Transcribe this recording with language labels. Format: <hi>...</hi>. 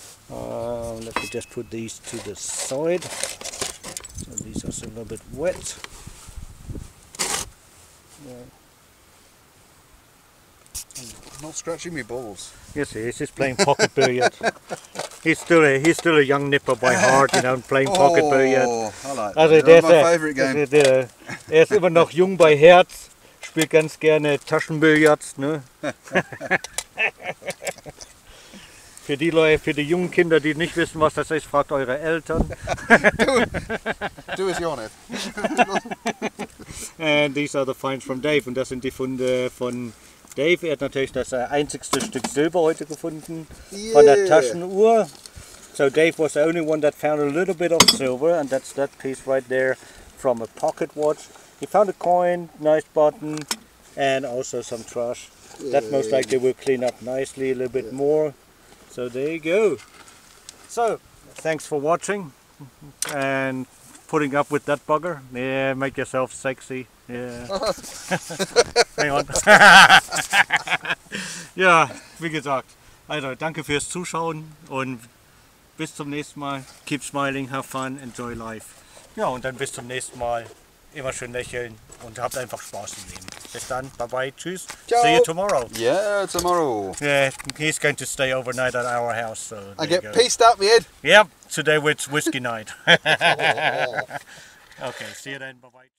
<en>Let me just put these to the side. So these are still a little bit wet. I'm not scratching my balls. Yes, he is. He's playing pocket billiard. He's still a young nipper by heart, you know, playing pocket billiard. Oh, I like that. That's my favourite game.</en> <de>Er ist immer noch jung bei Herz, spielt ganz gerne Taschenbillard, ne? Für die Leute, für die jungen Kinder, die nicht wissen, was das ist, fragt eure Eltern.</de> <en>Do as you want it. And these are the finds from Dave,</en> <de>und das sind die Funde von Dave. Er hat natürlich das einzigste Stück Silber heute gefunden,</de> <en>yeah,</en> <de>von der Taschenuhr.</de> <en>So Dave was the only one that found a little bit of silver, and that's that piece right there from a pocket watch. He found a coin, nice button, and also some trash. Yeah, that most likely will clean up nicely a little bit more. So there you go. So, thanks for watching and putting up with that bugger. Yeah, make yourself sexy. Yeah. Hang on.</en> <de>Ja, wie gesagt. Also, danke fürs Zuschauen und bis zum nächsten Mal.</de> <en>Keep smiling, have fun, enjoy life.</en> <de>Ja, und dann bis zum nächsten Mal. Immer schön lächeln und habt einfach Spaß im Leben. Bis dann, bye-bye, tschüss. Ciao.</de> <en>See you tomorrow. Yeah, tomorrow. Yeah, he's going to stay overnight at our house. So I get peaced out, man. Yep, today it's whiskey night. Okay, see you then, bye-bye.</en>